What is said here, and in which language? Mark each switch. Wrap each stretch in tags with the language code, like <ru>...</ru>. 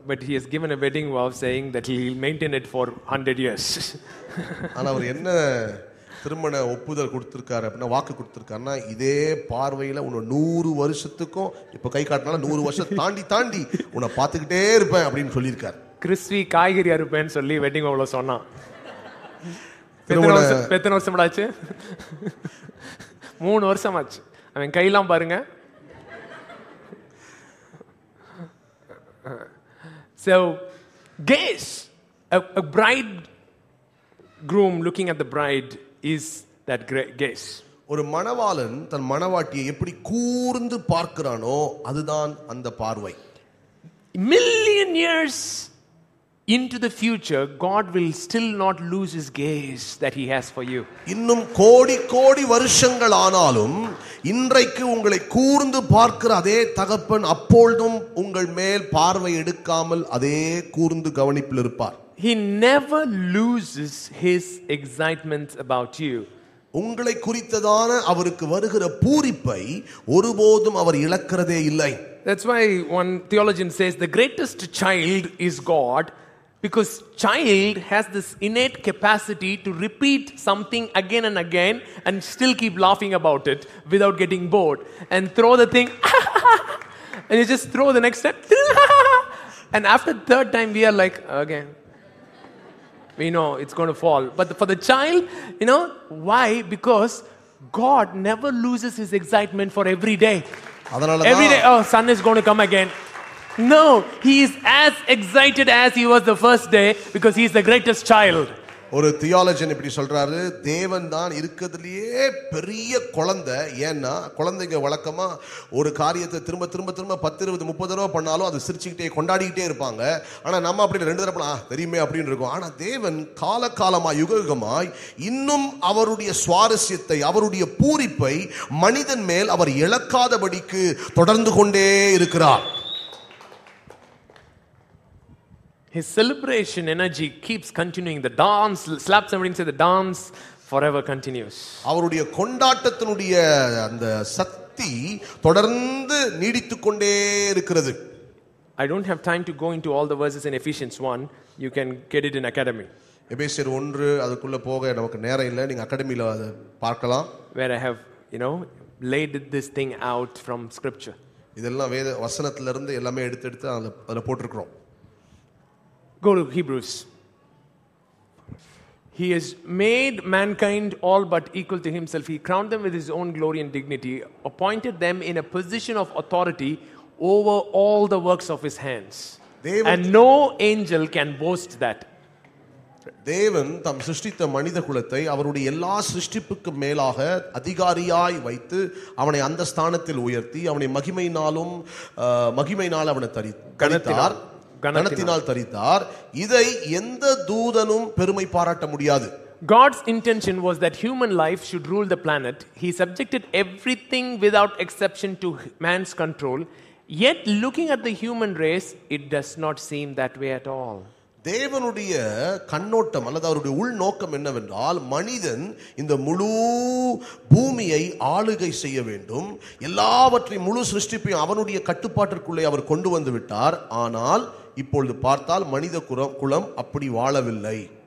<en>But he has given a wedding vow saying that he will maintain it for 100 years.</en> <ta>ஆனா அவர் என்ன திருமண ஒப்புதல் கொடுத்துருக்காரு, வாக்கு கொடுத்துருக்காருனா இதே பார்வையில உன்னை 100 வருஷத்துக்கும் இப்ப கை காட்டினாலும் 100 வருஷம் தாண்டி தாண்டி உன்னை பார்த்துக்கிட்டே இருப்பேன் அப்படின்னு சொல்லியிருக்காரு. கிறிஸ்வி காய்கறி அறுப்பேன் சொல்லி வெட்டிங் அவ்வளவு சொன்னான். எத்தனை வருஷம் ஆச்சு? 3 வருஷம் ஆச்சு. அவன் கையெல்லாம் பாருங்க.</ta> <en>So gaze, a bridegroom looking at the bride is that great gaze.</en> <ta>ஒரு மனவாளன் தன் மனவாட்டியை எப்படி கூர்ந்து பார்க்கறானோ அதுதான் அந்த பார்வை.</ta> <en>Million years into the future, God will still not lose his gaze that he has for you.</en> <ta>இன்னும் கோடி கோடி வருஷங்கள் ஆனாலும் இன்றைக்கு உங்களை கூர்ந்து பார்க்கிற அதே தகப்பன் அப்பொழுதும் உங்கள் மேல் பார்வை எடுக்காமல் அதே கூர்ந்து கவனிப்பில் இருப்பார்.</ta> <en>He never loses his excitement about you.</en> <ta>உங்களை குறித்ததான அவருக்கு வருகிற பூரிப்பை ஒருபோதும் அவர் இழக்கிறதே இல்லை.</ta> <en>That's why one theologian says the greatest child is God, because child has this innate capacity to repeat something again and again and still keep laughing about it without getting bored and throw the thing and you just throw the next step and after the third time we are like again. Okay. We know it's going to fall. But for the child, you know, why? Because God never loses his excitement for every day. Every day, oh, sun is going to come again. No, he is as excited as he was the first day because he is the greatest child.</en> <ta>ஒரு தியாலஜன் இப்படி சொல்றாரு, தேவன் தான் இருக்கிறதுலயே பெரிய குழந்தை. ஏன்னா குழந்தைங்க வழக்கமா ஒரு காரியத்தை திரும்ப திரும்ப திரும்ப 10, 20, 30 தடவை பண்ணாலும் அதை சிரிச்சுக்கிட்டே கொண்டாடிக்கிட்டே இருப்பாங்க. ஆனா நம்ம அப்படி 2 தடவை தெரியுமே அப்படின்னு இருக்கும். ஆனா தேவன் காலகாலமா யுகமாய் இன்னும் அவருடைய சுவாரஸ்யத்தை அவருடைய பூரிப்பை மனிதன் மேல் அவர் இழக்காதபடிக்கு தொடர்ந்து கொண்டே இருக்கிறார்.</ta> <en>His celebration energy keeps continuing. The dance, slap somebody and say the dance forever continues.</en> <ta>அவருடைய கொண்டாட்டத்தினுடைய அந்த சக்தி தொடர்ந்து நீடித்துக்கொண்டே இருக்கிறது.</ta> <en>I don't have time to go into all the verses in Ephesians 1. You can get it in academy.</en> <ta>எபேசியர் 1 அதுக்குள்ள போக நமக்கு நேரம் இல்ல, நீங்க அகாடமில பார்க்கலாம்.</ta> <en>Where I have, you know, laid this thing out from scripture.</en> <ta>இதெல்லாம் வேத வசனத்திலிருந்து எல்லாமே எடுத்து எடுத்து அதல போட்டுக்கிறோம்.</ta> <en>Go to Hebrews. He has made mankind all but equal to himself. He crowned them with his own glory and dignity, appointed them in a position of authority over all the works of his hands. And no angel can boast that.</en> <ta>தேவன் தம் சிருஷ்டித்த மனித குலத்தை அவருடைய எல்லா சிருஷ்டிப்புக்கு மேலாக அதிகாரியாய் வைத்து அவனை அந்த ஸ்தானத்தில் உயர்த்தி அவனை மகிமையினால் அவனை தரித்தார், கனத்தினால் தரித்தார். இதை எந்த தூதனும் பெருமை பாராட்ட முடியாது.</ta> <en>God's intention was that human life should rule the planet. He subjected everything without exception to man's control. Yet looking at the human race, it does not seem that way at all.</en> <ta>தேவனுடைய கண்ணோட்டம் அல்லது அவருடைய உள் நோக்கம் என்னவென்றால், மனிதன் இந்த முழு பூமியை ஆளுகை செய்ய வேண்டும், எல்லாவற்றையும் முழு சிருஷ்டிப்பையும் அவனுடைய கட்டுப்பாட்டிற்குள்ளே அவர் கொண்டு வந்து விட்டார். ஆனால் இப்பொழுது பார்த்தால் மனித குலம் அப்படி வாழவில்லை.</ta>